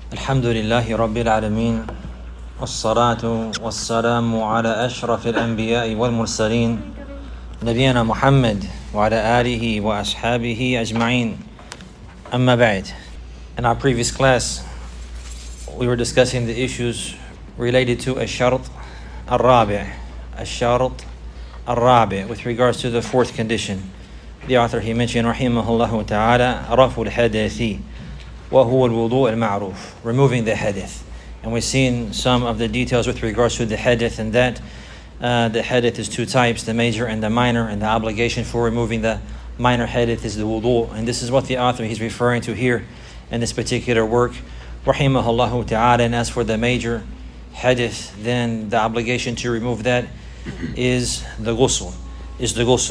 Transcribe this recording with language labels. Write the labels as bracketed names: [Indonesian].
[Arabic] الحمد لله رب العالمين، والصلاة والسلام على أشرف الأنبياء والمرسلين نبينا محمد وعلى آله وأصحابه أجمعين. أما بعد، [English] in our previous class we were discussing the issues related to [Arabic] الشرط الرابع. الشرط الرابع, [English] with regards to the fourth condition. The author, he mentioned, [Arabic] رحمه الله تعالى, رفع الحدث وهو الوضوء المعروف, [English] removing the hadith. And we've seen some of the details with regards to the hadith, and that the hadith is two types, the major and the minor, and the obligation for removing the minor hadith is the wudu. And this is what the author, he's referring to here in this particular work, rahimahullahu ta'ala. And as for the major hadith, then the obligation to remove that is the ghusl, is the ghusl.